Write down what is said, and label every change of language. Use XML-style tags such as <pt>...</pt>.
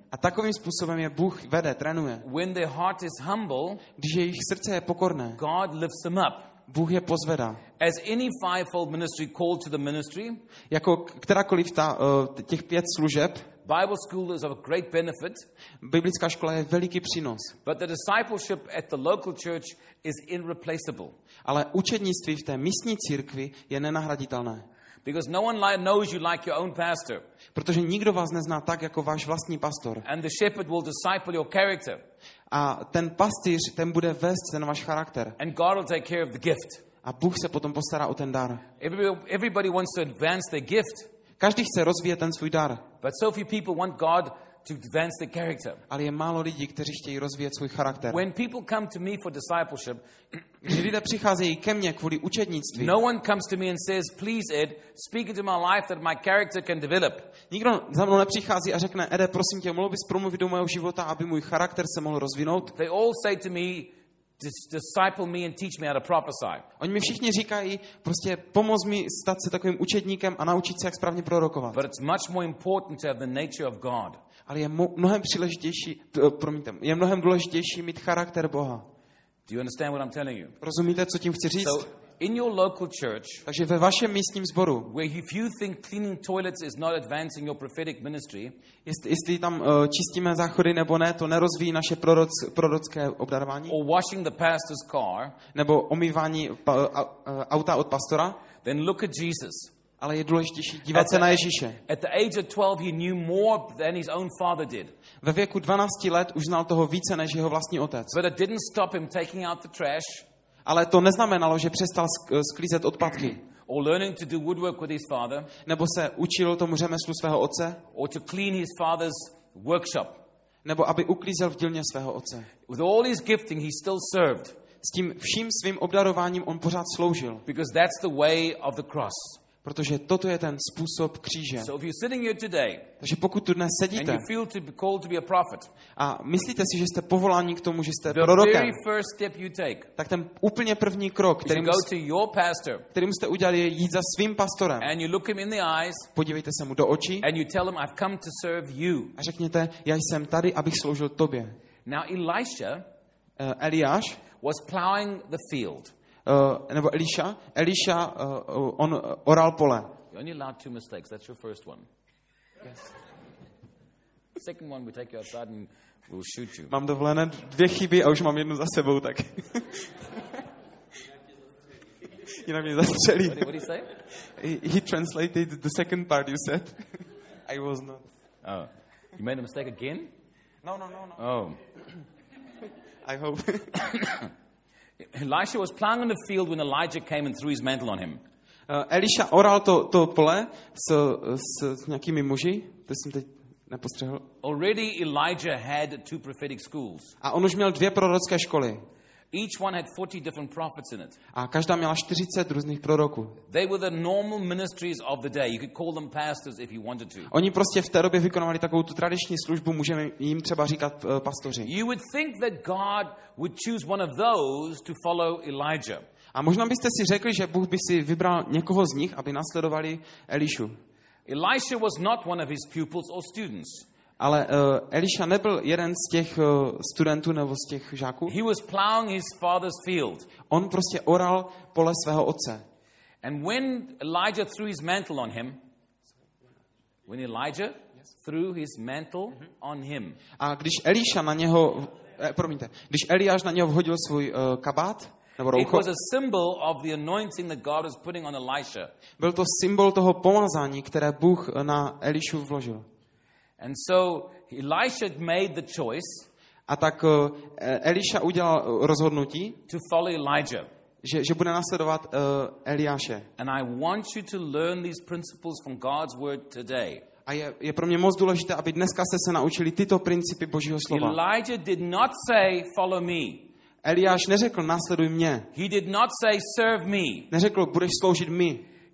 <cs>A takovým způsobem je Bůh vede, trénuje.</cs> <en>When their heart is humble,</en> <cs>když jejich srdce je pokorné,</cs> <en>God lifts them up.</en> <cs>Bůh je pozvedá.</cs> <en>As any fivefold ministry called to the ministry,</en> <cs>jako kterákoliv ta, těch pět služeb,</cs> <en>Bible school is of a great benefit.</en> <cs>Biblická škola je veliký přínos.</cs> <en>But the discipleship at the local church is irreplaceable.</en> <cs>Ale učednictví v té místní církvi je nenahraditelné.</cs> <en>Because no one knows you like your own pastor.</en> <cs>Protože nikdo vás nezná tak jako váš vlastní pastor.</cs> <en>And the shepherd will disciple your character.</en> <cs>A ten pastýř, ten bude vést ten váš charakter.</cs> <en>And God will take care of the gift.</en> <cs>A Bůh se potom postará o ten dar.</cs> <en>Everybody wants to advance their gift.</en> <cs>Každý chce rozvíjet ten svůj dar.</cs> <en>But so few people want God to advance their character.</en> <cs>Ale je málo lidí, kteří chtějí rozvíjet svůj charakter.</cs> <en>When people come to me for discipleship,</en> <cs>když lidé přicházejí ke mně kvůli učednictví,</cs> <en>no one comes to me and says, please Ed, speak into my life that my character can develop.</en> <cs>Nikdo za mnou nepřichází a řekne, Ede, prosím tě, mohl bys promluvit do mého života, aby můj charakter se mohl rozvinout?</cs> <en>They all say to me, disciple me and teach me how to prophesy.</en> <cs>Oni mi všichni říkají, prostě pomoz mi stát se takovým učedníkem a naučit se, jak správně prorokovat.</cs> <en>But it's much more important to have the nature of God.</en> <cs>Ale je mnohem příležitější, promiňte, je mnohem důležitější mít charakter Boha.</cs> <en>Do you understand what I'm telling you?</en> <cs>Rozumíte, co tím chci říct?</cs> <en>So, in your local church,</en> <cs>takže ve vašem místním sboru,</cs> <en>where if you think cleaning toilets is not advancing your prophetic ministry,</en> <cs>jestli tam čistíme záchody nebo ne, to nerozvíjí naše prorocké obdarování,</cs> <en>or washing the pastor's car,</en> <cs>nebo omývání auta od pastora,</cs> <en>then look at Jesus.</en> <cs>Ale je důležitější dívat se na Ježíše.</cs> <en>At the age of 12, he knew more than his own father did.</en> <cs>Ve věku 12 let už znal toho více než jeho vlastní otec.</cs> <en>But it didn't stop him taking out the trash.</en> <cs>Ale to neznamenalo, že přestal sklízet odpadky.</cs> <en>Or learning to do woodwork with his father.</en> <cs>Nebo se učil tomu řemeslu svého otce.</cs> <en>Or to clean his father's workshop.</en> <cs>Nebo aby uklízel v dílně svého otce.</cs> <en>With all his gifting, he still served.</en> <cs>S tím vším svým obdarováním on pořád sloužil.</cs> <en>Because that's the way of the cross.</en> <cs>Protože toto je ten způsob kříže.</cs> <en>So if you're sitting here today,</en> <cs>takže pokud tu dnes sedíte</cs> <en>and you feel to be called to be a prophet,</en> <cs>a myslíte si, že jste povoláni k tomu, že jste</cs> <en>the</en> <cs>prorokem,</cs> <en>very first step you take,</en> <cs>tak ten úplně první krok, který jste udělali, je jít za svým pastorem.</cs> <en>And you look him in the eyes,</en> <cs>podívejte se mu do očí</cs> <en>and you tell him, I've come to serve you.</en> <cs>A řekněte, já jsem tady, abych sloužil tobě.</cs> <en>Now Elisha,</en> <cs>Eliáš</cs> <en>was plowing the field.</en> <cs>Nebo Eliša. Eliša, on oral pole.</cs> <en>You only allowed two mistakes. That's your first one. Yes. Second one, we take you outside and we'll shoot you.</en> <cs>Mám dovolené dvě chyby a už mám jednu za sebou, tak. Jinak mě zastřelí.</cs> <en>What did he say? He translated the second part you said. I was not. Oh. You made a mistake again? No. Oh. I hope. Elisha was plowing in the field when Elijah came and threw his mantle on him.</en> <cs>Elisha oral to pole s nějakými muži, to jsem teď nepostřehl.</cs> <en>Already Elijah had two prophetic schools.</en> <cs>A on už měl dvě prorocké školy.</cs> <en>Each one had 40 different prophets in it.</en> <cs>A každá měla 40 různých proroků.</cs> <en>They were the normal ministries of the day. You could call them pastors if you wanted to.</en> <cs>Oni prostě v té době vykonávali takovou tu tradiční službu, můžeme jim třeba říkat pastoři.</cs> <en>You would think that God would choose one of those to follow Elijah.</en> <cs>A možná byste si řekli, že Bůh by si vybral někoho z nich, aby následovali Elišu.</cs> <en>Elisha was not one of his pupils or students.</en> <cs>Ale Eliša nebyl jeden z těch studentů nebo z těch žáků.</cs> <en>He was plowing his father's field.</en> <cs>On prostě oral pole svého otce.</cs> <en>And when Elijah threw his mantle on him, when Elijah threw his mantle on him.</en> <cs>A když Eliša na něho, promiňte, když Eliáš na něho vhodil svůj kabát, nebo roucho,</cs> <en>it was a symbol of the anointing that God was putting on Elisha.</en> <cs>Byl to symbol toho pomazání, které Bůh na Elišu vložil.</cs> <en>And so Elisha made the choice.</en> <cs>A tak Eliša udělal rozhodnutí.</cs> <en>To follow Elijah.</en> <cs>Že bude následovat Eliáše.</cs> <en>And I want you to learn these principles from God's word today.</en> <cs>A je pro mě moc důležité, aby dneska jste se naučili tyto principy Božího slova.</cs> <en>Elijah did not say follow me.</en> <cs>Eliáš neřekl následuj mě.</cs> <en>He did not say serve me.</en> <cs>Neřekl budeš sloužit mi.</cs>